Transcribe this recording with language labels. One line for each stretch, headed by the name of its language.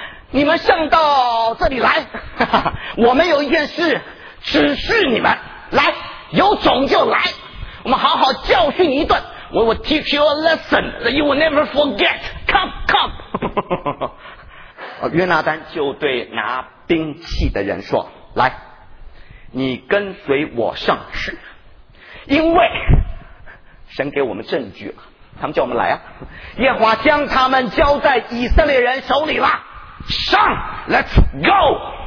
Chinese: 你们上到这里来，我们有一件事指示你们，来，有种就来，我们好好教训一顿。
English: We will teach you a lesson that you will never forget. Come, come.
Chinese: 约拿丹就对拿兵器的人说，来，你跟随我上去，因为神给我们证据了，他们叫我们来啊，耶和华将他们交在以色列人手里了，上
English: Let's go。